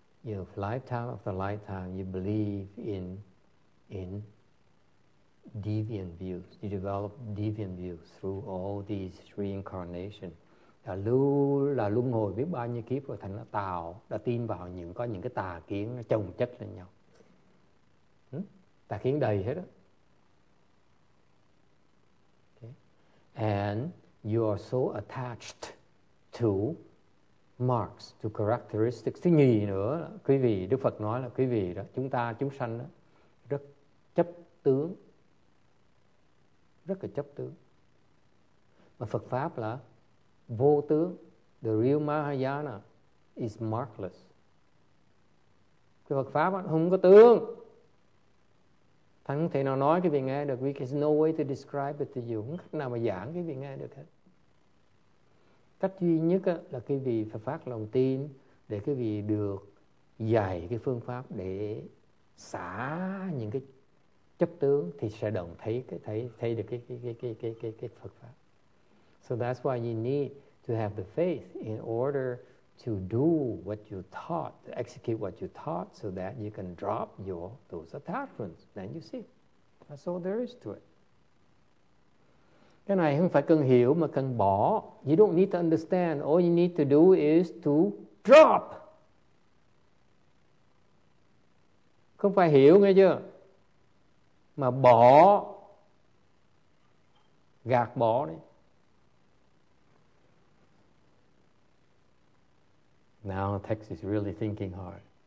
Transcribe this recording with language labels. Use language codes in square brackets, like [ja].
[en] You have lifetime after lifetime, you believe in deviant views. You develop deviant views through all these reincarnations. [vi] Là luân hồi biết bao nhiêu kiếp rồi thành nó tạo, đã tin vào những có những cái tà kiến nó chồng chất lên nhau. Tà kiến đầy hết đó. [en] Okay. And you are so attached to marks, to characteristics. [vi] Thứ nhì nữa, quý vị, Đức Phật nói là quý vị đó, chúng ta, chúng sanh đó, rất chấp tướng. Rất là chấp tướng. Mà Phật Pháp là vô tướng. [en] The real Mahayana is markless. [vi] Cái Phật Pháp không có tướng. Thành không thể nào nói cái vị nghe được. [en] There's no way to describe it to you. [vi] Không cách nào mà giảng cái vị nghe được hết. Cách duy nhất là cái vị phải phát lòng tin để cái vị được dạy cái phương pháp để xả những cái chấp tướng thì sẽ đồng thấy được cái Phật pháp. [en] So that's why you need to have the faith in order to do what you taught, to execute what you taught, so that you can drop your those attachments. Then you see, that's all there is to it. [vi] Cái này không phải cần hiểu mà cần bỏ. [en] You don't need to understand. All you need to do is to drop. [vi] Không phải hiểu nghe chưa? Mà bỏ gạt bỏ đi. [en] Now Tex is really thinking hard.